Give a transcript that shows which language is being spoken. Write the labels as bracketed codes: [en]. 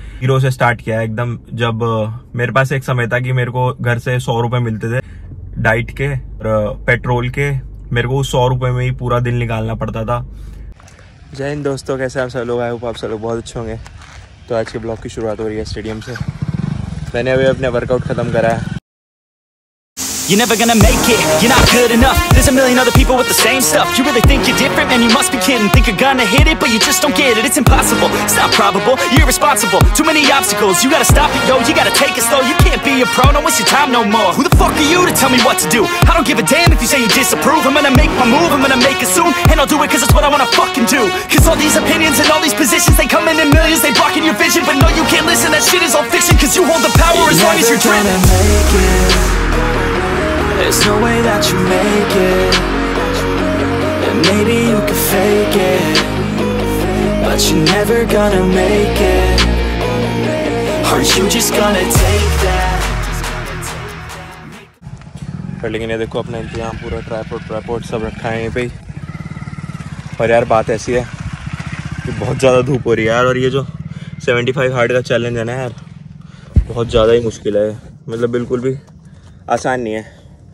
[hi] Hero से start किया एकदम, जब मेरे पास एक समय था कि मेरे को घर से 100 रुपए मिलते थे डाइट के और पेट्रोल के, मेरे को उस 100 रुपए में ही पूरा दिन निकालना पड़ता था। जय हिंद दोस्तों, कैसे आप सब लोग? आए हो आप सब लोग बहुत अच्छे होंगे। तो आज के ब्लॉग की शुरुआत हो रही है स्टेडियम से। मैंने अभी अपने वर्कआउट खत्म करा है। [en] You're never gonna make it, you're not good enough. There's a million other people with the same stuff. You really think you're different, man, you must be kidding. Think you're gonna hit it, but you just don't get it. It's impossible, it's not probable, you're irresponsible. Too many obstacles, you gotta stop it, yo. You gotta take it slow, you can't be a pro. No, it's your time no more. Who the fuck are you to tell me what to do? I don't give a damn if you say you disapprove. I'm gonna make my move, I'm gonna make it soon. And I'll do it cause it's what I wanna fucking do. Cause all these opinions and all these positions, they come in millions, they blocking your vision. But no, you can't listen, that shit is all fiction. Cause you hold the power as long as you're dreaming. You're never gonna make it. There's no way that you make it. And maybe you can fake it, but you're never gonna make it. Aren't you just gonna take that? [hi] पर लेकिन ये देखो अपना इंतजाम पूरा, tripod tripod सब रखा है यहीं पे। पर यार बात ऐसी है कि बहुत ज़्यादा धूप हो रही है यार, और ये जो 75 हार्ड का चैलेंज है ना यार, बहुत ज़्यादा ही मुश्किल है, मतलब बिल्कुल भी आसान नहीं है।